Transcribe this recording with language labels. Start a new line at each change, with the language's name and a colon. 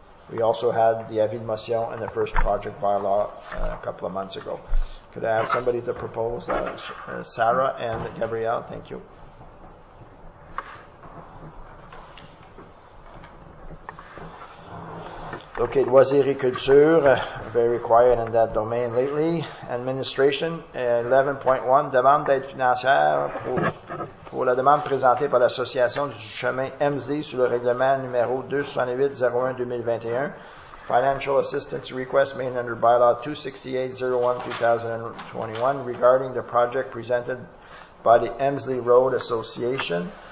English: We also had the avis de motion and the first project bylaw a couple of months ago. Could I have somebody to propose that? Sarah and Gabrielle, thank you. Okay, loisiriculture, very quiet in that domain lately.
French: Administration, 11.1, demande d'aide financière pour la demande présentée par l'Association du chemin MSD sous le règlement numéro 278-01-2021.
English: Financial assistance request made under bylaw 268-01-2021 regarding the project presented by the MSD Road Association.